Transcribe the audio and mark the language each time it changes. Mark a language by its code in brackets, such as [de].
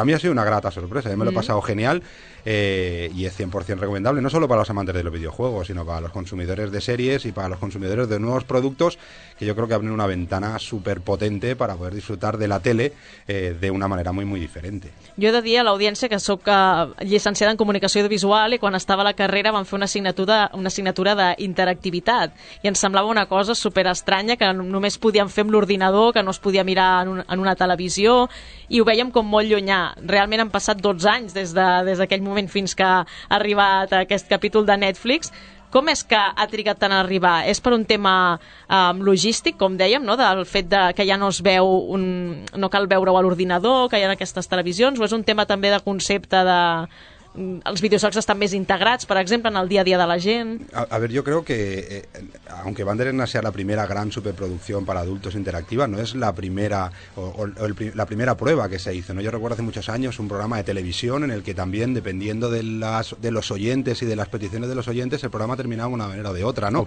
[es] Para mí ha sido una grata sorpresa, me lo he pasado genial, y es 100% recomendable, no solo para los amantes de los videojuegos, sino para los consumidores de series y para los consumidores de nuevos productos, que yo creo que abren una ventana súper potente para poder disfrutar de la tele de una manera muy, muy diferente. [ca] Jo he de dir a l'audiència que soc llicenciada en comunicació audiovisual i quan estava a la carrera van fer una assignatura d'interactivitat i ens semblava una cosa superestranya que només podíem fer amb l'ordinador, que no es podia mirar en una televisió, i ho vèiem com molt llunyà. Realment han passat 12 anys des d'aquell moment fins que ha arribat aquest capítol de Netflix. Com és que ha trigat tant a arribar? És per un tema logístic, com dèiem, no? Del fet de que ja no es veu, no cal veure-ho a l'ordinador, que hi ha aquestes televisions, o és un tema també de concepte de... Els videojocs estan més integrats, per exemple, en el dia a dia de la gent. [es] A ver, yo creo que, aunque Bandersnatch sea la primera gran superproducción para adultos interactiva, no es la primera la primera prueba que se hizo, ¿no? Yo recuerdo hace muchos años un programa de televisión en el que también, dependiendo de los oyentes y de las peticiones de los oyentes, el programa terminaba de una manera o de otra, ¿no?